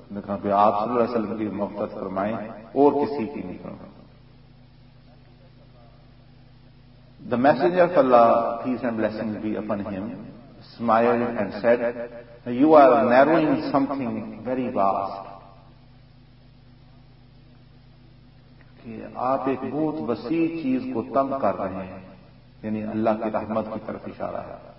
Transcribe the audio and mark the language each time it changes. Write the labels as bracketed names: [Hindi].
[Urdu] کہا کہ آپ صلی اللہ علیہ وسلم کی مغفرت فرمائیں اور کسی کی نہیں فرمائیں. [English] The messenger of Allah, peace and blessings be upon him, smiled and said, "You are narrowing something very vast." [Urdu] کہ آپ ایک بہت وسیع چیز کو تنگ کر رہے ہیں, یعنی اللہ کی رحمت کی طرف اشارہ ہے.